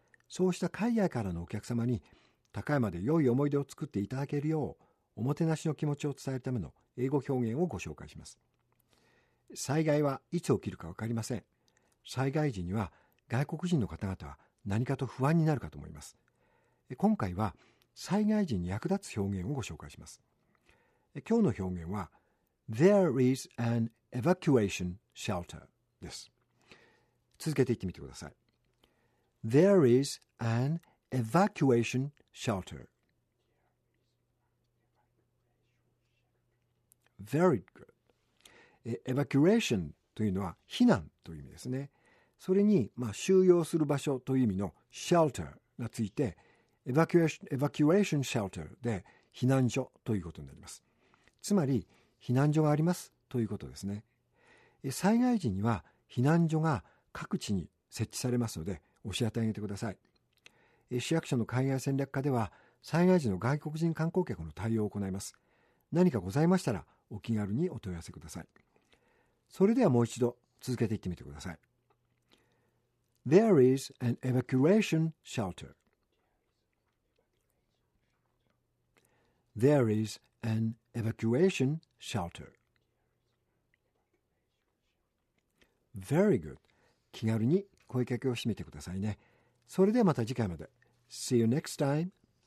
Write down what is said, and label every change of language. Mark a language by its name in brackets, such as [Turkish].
[Japanese] そうした海外からのお客様に高山で良い思い出を作っていただけるよう、おもてなしの気持ちを伝えるための英語表現をご紹介します。災害はいつ起きるかわかりません。災害時には外国人の方々は何かと不安になるかと思います。今回は災害時に役立つ表現をご紹介します。今日の表現は [English] There is an evacuation shelter [Japanese] です。続けて言ってみてください。 [English] There is an evacuation shelter. Very good. [Japanese] Evacuation というのは避難という意味ですね。それに、収容する場所という意味の shelter がついて、evacuation shelter で避難所ということになります。つまり避難所がありますということですね。災害時には避難所が各地に設置されますので教えてあげてください。市役所の海外戦略課では災害時の外国人観光客の対応を行います。何かございましたらお気軽にお問い合わせください。それではもう一度続けていってみてください。 [English] There is an evacuation shelter. There is an evacuation shelter. Very good. [Japanese] 気軽に声かけをしてみてくださいね。それではまた次回まで。 [English] See you next time.